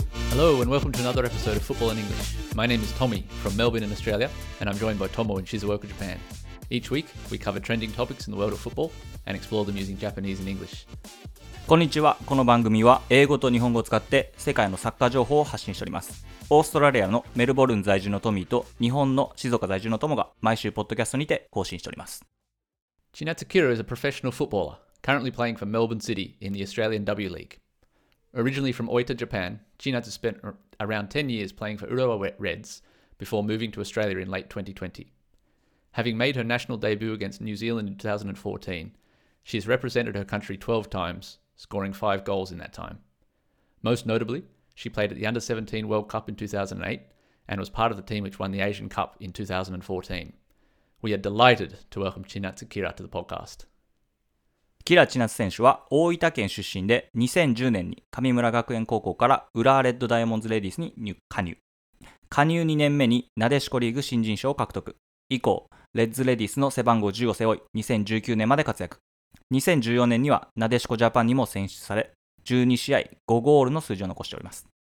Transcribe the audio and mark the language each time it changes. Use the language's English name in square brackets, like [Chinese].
[English] Hello and welcome to another episode of Football in English. My name is Tommy from Melbourne in Australia, and I'm joined by Tomo in Shizuoka, Japan. Each week, we cover trending topics in the world of football and explore them using Japanese and English. [Japanese] Konnichiwa. この番組は英語と日本語を使って世界のサッカー情報を発信しております。オーストラリアのメルボルン在住のトミーと日本の静岡在住のトモが毎週ポッドキャストにて更新しております。 [English] Chinatsu Kira is a professional footballer, currently playing for Melbourne City in the Australian W League. Originally from Oita, Japan, Chinatsu spent around 10 years playing for Urawa Reds before moving to Australia in late 2020. Having made her national debut against New Zealand in 2014, she has represented her country 12 times, scoring 5 goals in that time. Most notably, she played at the Under-17 World Cup in 2008 and was part of the team which won the Asian Cup in 2014. We are delighted to welcome Chinatsu Kira to the podcast. [Japanese] キラ・チナツ選手は大分県出身で2010年に神村学園高校から浦和レッドダイヤモンズレディースに加入。加入2年目になでしこリーグ新人賞を獲得。以降、レッズレディースの背番号10を背負い2019年まで活躍。 2014年にはなでしこジャパンにも選出され、12試合5ゴールの数字を残しております。